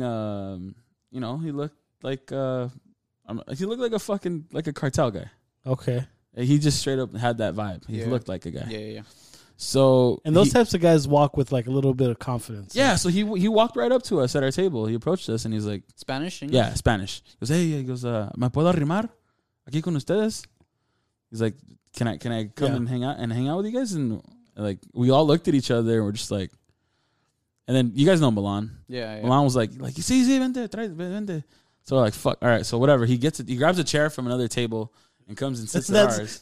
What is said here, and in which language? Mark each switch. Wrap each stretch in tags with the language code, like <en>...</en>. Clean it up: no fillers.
<en>you know, he looked like a fucking like a cartel guy. Okay. And he just straight up had that vibe. He looked like a guy. Yeah. So, and those types of guys walk with like a little bit of confidence. Yeah. So he walked right up to us at our table. He approached us and he's like Spanish. English? Yeah, Spanish. He goes, hey, he goes,</en> <es>¿me puedo arrimar aquí con ustedes?</es> <en>He's like, can I come and hang out with you guys? And like we all looked at each other and we're just like. And then you guys know Milan. Yeah. Milan was like, you see, vente. So we're like, fuck. All right. So whatever. He grabs a chair from another table and comes and sits at ours.</en>